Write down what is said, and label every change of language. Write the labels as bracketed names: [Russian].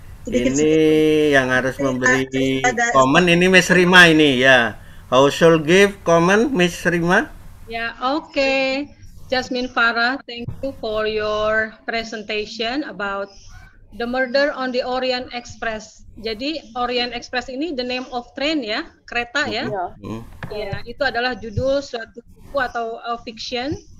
[Indonesian] Ini yang harus memberi komen ini Miss Rima ini ya. [English] How shall give comment Miss Rima? [Indonesian] Ya, okay. [English] Jasmine Farah, thank you for your presentation about the murder on the Orient Express. [Indonesian] Jadi Orient Express ini [English] the name of train [Indonesian] ya, kereta ya. Iya. [English] Yeah. Yeah, [Indonesian] itu adalah judul suatu buku atau fiction.